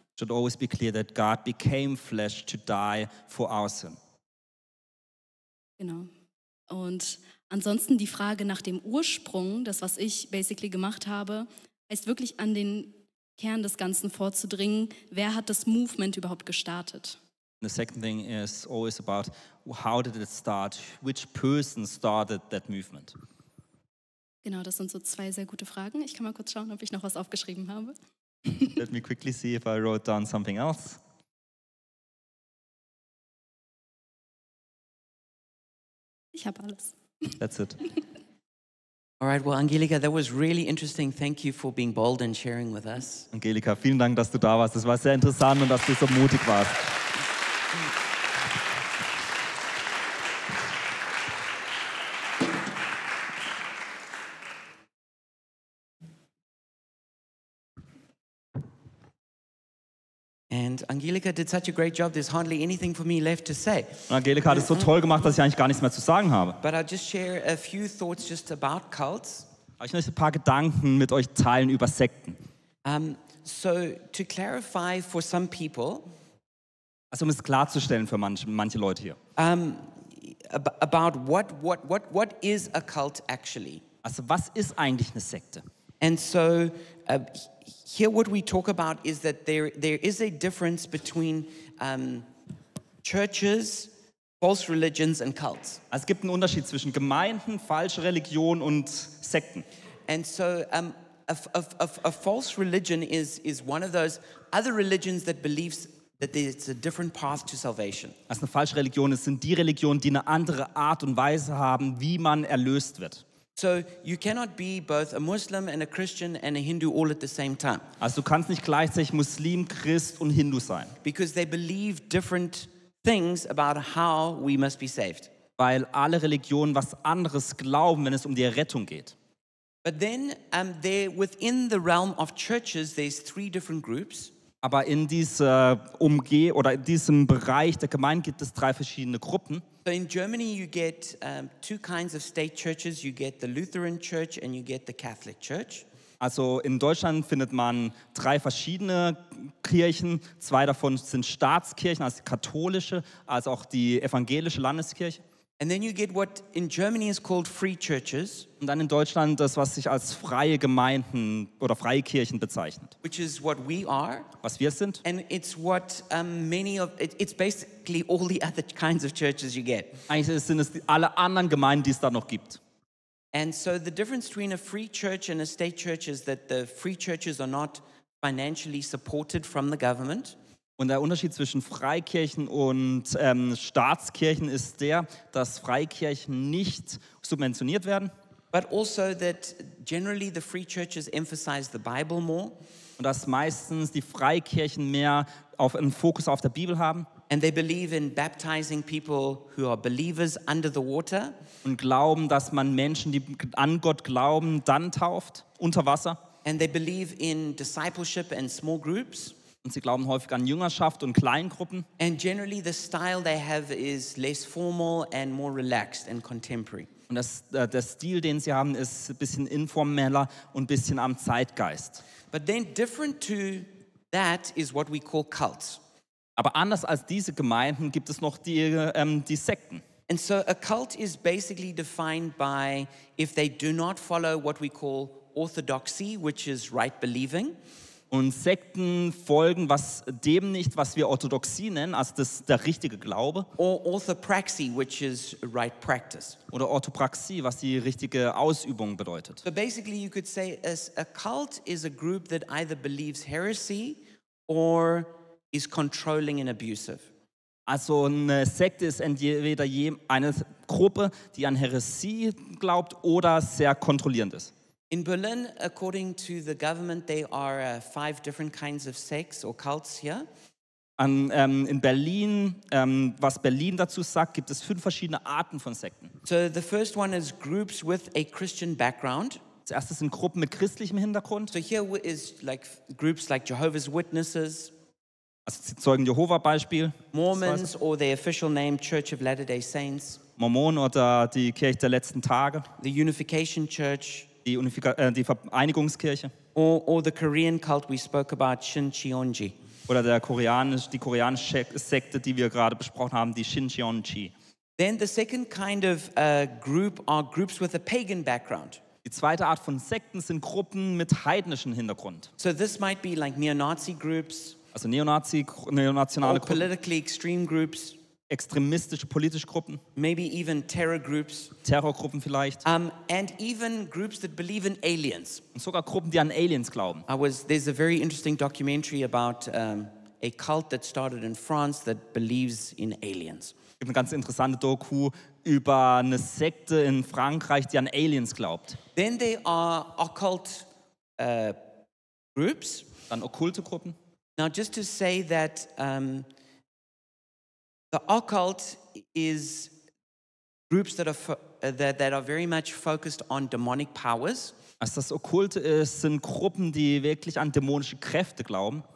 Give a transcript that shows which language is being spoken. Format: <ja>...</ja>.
<en>It should always be clear that God became flesh to die for our sin.</en> <de>Genau. Und ansonsten die Frage nach dem Ursprung, das, was ich basically gemacht habe, heißt wirklich an den Kern des Ganzen vorzudringen. Wer hat das Movement überhaupt gestartet?</de> <en>The second thing is always about how did it start? Which person started that movement?</en> <de>Genau, das sind so zwei sehr gute Fragen. Ich kann mal kurz schauen, ob ich noch was aufgeschrieben habe.</de> <en>Let me quickly see if I wrote down something else.</en> <de>Ich habe alles.</de> <en>That's it. All right, well, Angelika, that was really interesting. Thank you for being bold and sharing with us.</en> <de>Angelika, vielen Dank, dass du da warst. Das war sehr interessant und dass du so mutig warst.</de> <en>And Angelika did such a great job, there's hardly anything for me left to say.</en> <de>Angelika hat es so toll gemacht, dass ich eigentlich gar nichts mehr zu sagen habe.</de> <en>But I'll just share a few thoughts just about cults.</en> <de>Ich möchte ein paar Gedanken mit euch teilen über Sekten.</de> <en>So to clarify for some people.</en> <de>Also um es klarzustellen für manche Leute hier.</de> <en>About what is a cult actually?</en> <de>Also was ist eigentlich eine Sekte?</de> <en>And so here what we talk about is that there is a difference between churches, false religions and cults.</en> <de>Es gibt einen Unterschied zwischen Gemeinden, falsche Religion und Sekten.</de> <en>And so a false religion is one of those other religions that believes that it's a different path to salvation.</en> <de>Also eine falsche Religion, es sind die Religionen, die eine andere Art und Weise haben, wie man erlöst wird.</de> <en>So you cannot be both a Muslim and a Christian and a Hindu all at the same time.</en> <de>Also du kannst nicht gleichzeitig Muslim, Christ und Hindu sein.</de> <en>Because they believe different things about how we must be saved.</en> <de>Weil alle Religionen was anderes glauben, wenn es um die Errettung geht.</de> <en>But then there within the realm of churches there's three different groups.</en> <de>Aber in dieser Umgehung oder in diesem Bereich der Gemeinde gibt es drei verschiedene Gruppen.</de> <en>So in Germany you get two kinds of state churches. You get the Lutheran Church and you get the Catholic Church.</en> <de>Also in Deutschland findet man drei verschiedene Kirchen. Zwei davon sind Staatskirchen, also katholische, also auch die evangelische Landeskirche.</de> <en>And then you get what in Germany is called free churches.</en> <de>Und dann in Deutschland das, was sich als freie Gemeinden oder freie Kirchen bezeichnet.</de> <en>Which is what we are.</en> <de>Was wir sind.</de> <en>And it's what it's basically all the other kinds of churches you get.</en> <de>Eigentlich sind es alle anderen Gemeinden, die es da noch gibt.</de> <en>And so the difference between a free church and a state church is that the free churches are not financially supported from the government.</en> <de>Und der Unterschied zwischen Freikirchen und Staatskirchen ist der, dass Freikirchen nicht subventioniert werden.</de> <en>But also that generally the free churches emphasize the Bible more.</en> <de>Und dass meistens die Freikirchen mehr auf einen Fokus auf der Bibel haben.</de> <en>And they believe in baptizing people who are believers under the water.</en> <de>Und glauben, dass man Menschen, die an Gott glauben, dann tauft unter Wasser.</de> <en>And they believe in discipleship and small groups.</en> <de>Und sie glauben häufig an Jüngerschaft und Kleingruppen.</de> <en>And generally the style they have is less formal and more relaxed and contemporary.</en> <de>Und der Stil, den sie haben, ist ein bisschen informeller und ein bisschen am Zeitgeist.</de> <en>But then different to that is what we call cults.</en> <de>Aber anders als diese Gemeinden gibt es noch die Sekten.</de> <en>And so a cult is basically defined by if they do not follow what we call orthodoxy, which is right believing.</en> <de>Und Sekten folgen was dem nicht, was wir Orthodoxie nennen, also das der richtige Glaube.</de> <en>Or orthopraxy, which is right practice.</en> <de>Oder Orthopraxie, was die richtige Ausübung bedeutet.</de> <en>So basically you could say a cult is a group that either believes heresy or is controlling and abusive.</en> <de>Also eine Sekte ist entweder eine Gruppe, die an Heresie glaubt oder sehr kontrollierend ist.</de> <en>In Berlin, according to the government, there are five different kinds of sects or cults here.</en> <de>In Berlin, was Berlin dazu sagt, gibt es fünf verschiedene Arten von Sekten.</de> <en>So the first one is groups with a Christian background.</en> <de>Zuerst sind Gruppen mit christlichem Hintergrund.</de> <en>So here is like groups like Jehovah's Witnesses.</en> <de>Also die Zeugen Jehova Beispiel.</de> <en>Mormons or the official name Church of Latter-day Saints.</en> <de>Mormon oder die Kirche der letzten Tage.</de> <en>The Unification Church.</en> <de>Die Vereinigungskirche.</de> <en>Or the Korean cult we spoke about, Shin Cheonji.</en> <de>Oder die koreanische Sekte, die wir gerade besprochen haben, die Shin Cheonji.</de> <en>Then the second kind of group are groups with a pagan background.</en> <de>Die zweite Art von Sekten sind Gruppen mit heidnischem Hintergrund.</de> <en>So this might be like neo-Nazi groups.</en> <de>Also neonationale Gruppen.</de> <en>Politically extreme groups.</en> <de>Extremistische politische Gruppen.</de> <en>Maybe even terror groups.</en> <de>Terrorgruppen vielleicht.</de> <en>And even groups that believe in aliens.</en> <de>Und sogar Gruppen, die an Aliens glauben.</de> <en>There's a very interesting documentary about a cult that started in France that believes in aliens.</en> <de>Es gibt eine ganz interessante Doku über eine Sekte in Frankreich, die an Aliens glaubt.</de> <en>Then there are occult groups.</en> <de>Dann okkulte Gruppen.</de> <en>Now just to say that the occult is groups that are very much focused on demonic powers.</en> <de>Also das Okkulte sind Gruppen, die wirklich an dämonische Kräfte glauben.</de>